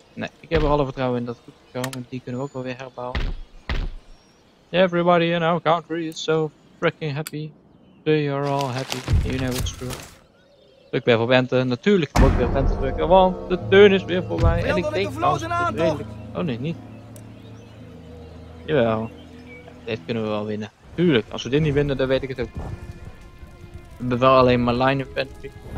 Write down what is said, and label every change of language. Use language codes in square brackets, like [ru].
[nl] Nee, ik heb er alle vertrouwen in dat het goed is gekomen. Die kunnen we ook wel weer herbouwen. [en] Everybody in our country is so freaking happy. We are all happy. You know it's true. [nl] Druk weer op enter. Natuurlijk moet ik weer op enter drukken, want de turn is weer voorbij. En ik denk dat het redelijk. Oh nee, niet. Jawel. Ja, dit kunnen we wel winnen. Tuurlijk, als we dit niet winnen, dan weet ik het ook. We hebben wel alleen maar line infantry.